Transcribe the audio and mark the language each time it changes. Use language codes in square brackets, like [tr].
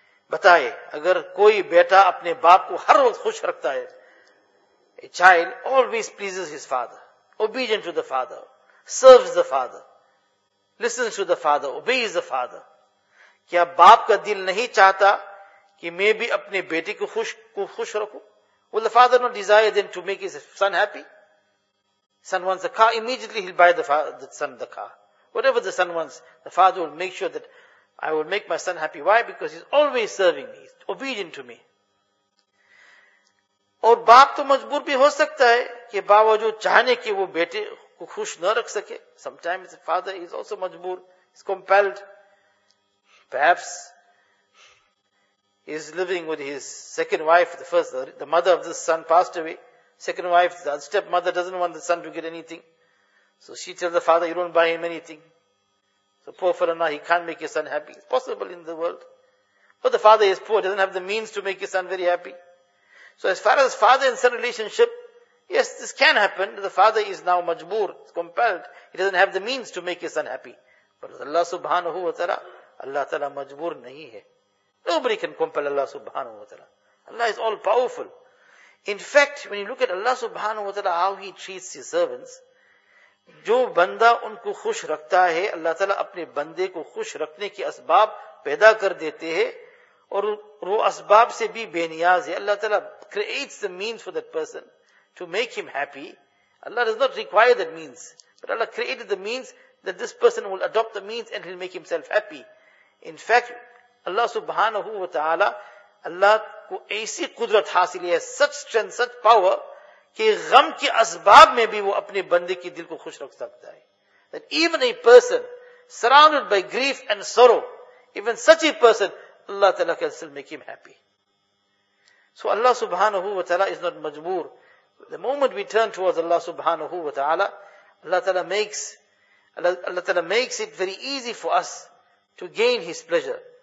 [ur] Bataye, agar koi beta apne baap ko har waqt khush rakhta hai, [en] a child always pleases his father, obedient to the father, serves the father, listens to the father, obeys the father. [ur] Kya baap ka dil nahi chahta کہ میں بھی اپنے بیٹے کو خوش رکھوں. [en] Will the father not desire then to make his son happy? Son wants a car, immediately he'll buy the son the car. Whatever the son wants, the father will make sure that I will make my son happy. Why? Because he's always serving me, he's obedient to me. [ur] اور باپ تو مجبور بھی ہو سکتا ہے کہ باوجود چاہنے کے وہ بیٹے کو خوش نہ رکھ سکے. [en] Sometimes the father is also مجبور, is compelled. Perhaps he is living with his second wife, the mother of this son passed away. Second wife, the stepmother, doesn't want the son to get anything. So she tells the father, you don't buy him anything. So poor fellow now, he can't make his son happy. It's possible in the world. But the father is poor, doesn't have the means to make his son very happy. So as far as father and son relationship, yes, this can happen. The father is now majboor, compelled. He doesn't have the means to make his son happy. But Allah subhanahu wa ta'ala, Allah ta'ala [ur] majboor nahi hai. [en] Nobody can compel Allah subhanahu wa ta'ala. Allah is all powerful. In fact, when you look at Allah subhanahu wa ta'ala, how He treats His servants, [ur] جو بندہ ان کو خوش رکھتا ہے, اللہ تعالیٰ اپنے بندے کو خوش رکھنے کے اسباب پیدا کر دیتے ہیں اور وہ اسباب سے بھی بے نیاز ہے. [en] اللہ تعالیٰ creates the means for that person to make him happy. Allah does not require that means, but Allah created the means that this person will adopt the means and he'll make himself happy. In fact, [ur] Allah subhanahu wa ta'ala, Allah کو ایسی قدرت حاصل ہے, [en] such strength, such power, [ur] کہ غم کے اسباب میں بھی وہ اپنے بندے کی دل کو خوش رکھ سکتا ہے. [en] That even a person surrounded by grief and sorrow, even such a person, Allah ta'ala can still make him happy. So Allah subhanahu wa ta'ala is not majboor. The moment we turn towards Allah subhanahu wa ta'ala, Allah ta'ala makes it very easy for us to gain His pleasure.